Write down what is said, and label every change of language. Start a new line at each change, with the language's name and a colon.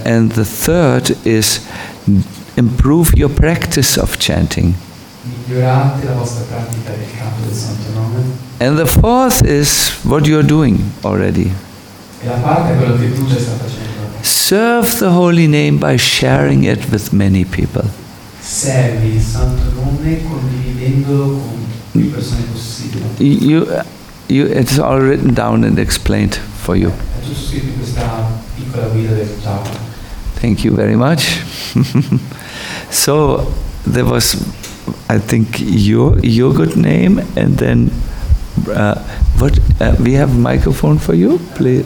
English: And the third is improve your practice of chanting.
Italian: Migliorate la vostra pratica del canto del santo nome.
English: And the fourth is what you are doing already.
Italian: E la parte è quello che tu già stai facendo.
English: Serve the holy name by sharing it with many people.
Italian: Servi il santo nome condividendolo con più persone possibile.
English: It's all written down and explained for you.
Italian: È tutto scritto in questa piccola guida del Java.
English: Thank you very much. So there was, I think, your good name, and then we have a microphone for you, please.